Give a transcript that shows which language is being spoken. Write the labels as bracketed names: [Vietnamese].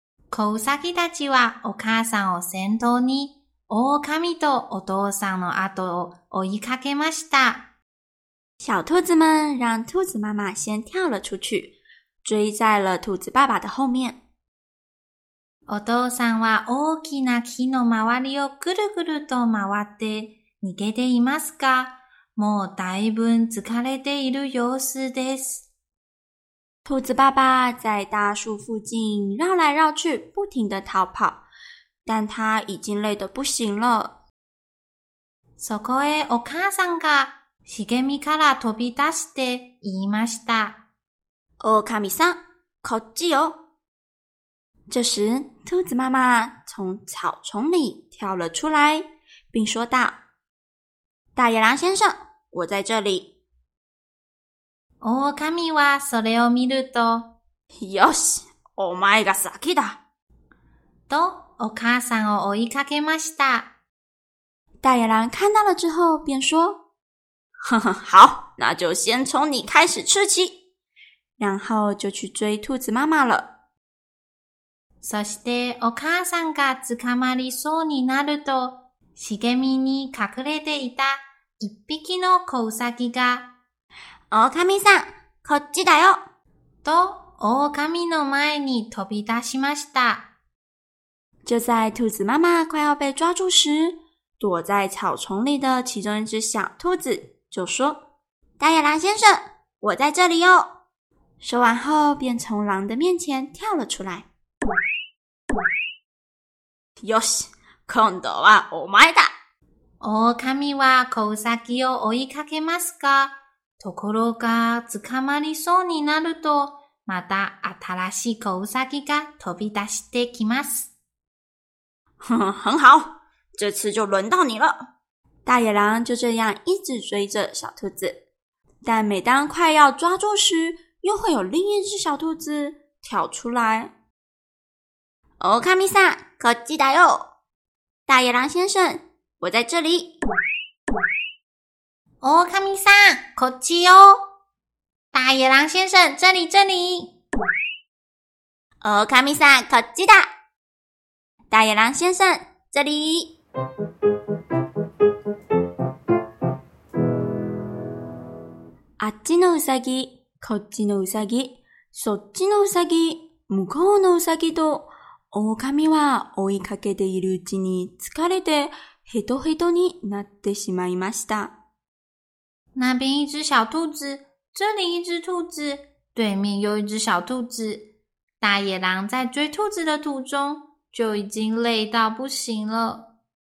[Japanese] 子ウサギたちはお母さんを先頭に、狼とお父さんの後を追いかけました。 [Chinese] 小兔子们让兔子妈妈先跳了出去，追在了兔子爸爸的后面。 [Japanese] お父さんは大きな木の周りをぐるぐると回って逃げていますか？もうだいぶ疲れている様子です。 [Chinese] 兔子爸爸在大树附近绕来绕去，不停地逃跑，但他已经累得不行了。 [Japanese] そこへお母さんが茂みから飛び出して言いました。おかみさん、こっちよ。 [Chinese] 这时，兔子妈妈从草丛里跳了出来，并说道：“ 大野狼先生，我在这里。” [Japanese] オオカミはそれを見ると、よし、お前が先だ。と、お母さんを追いかけました。 [Chinese] 大野狼看到了之后、便说、呵呵、好、那就先从你开始吃起。然后就去追兔子妈妈了。 [Japanese] そして、お母さんが捕まりそうになると、茂みに隠れていた一匹の子ウサギが、オオカミさん、こっちだよ。と、オオカミの前に飛び出しました。 [Chinese] 就在兔子妈妈快要被抓住时、躲在草丛里的其中一只小兔子就说、大野狼先生、我在这里哟。说完后、便从狼的面前跳了出来。 [Japanese] よし、今度はお前だ。オオカミは子ウサギを追いかけますか？ところが、捕まりそうになると、また新しい子ウサギが飛び出してきます。 [Chinese] 很好、这次就轮到你了。大野狼就这样一直追着小兔子。但每当快要抓住时、又会有另一只小兔子跳出来。 [Japanese] オオカミさん、こっちだよ。 [Chinese] 大野狼先生、我在这里。 [Japanese] オオカミさん、こっちよ。 [Chinese] 大野狼先生、这里这里。 [Japanese] オオカミさん、こっちだ。 [Chinese] 大野狼先生、这里。 [Japanese] あっちのウサギ、こっちのウサギ、そっちのウサギ、向こうのウサギと、オオカミは追いかけているうちに疲れてヘトヘトになってしまいました。 [Chinese] 那边一只小兔子，这里一只兔子，对面又一只小兔子。大野狼在追兔子的途中，就已经累到不行了。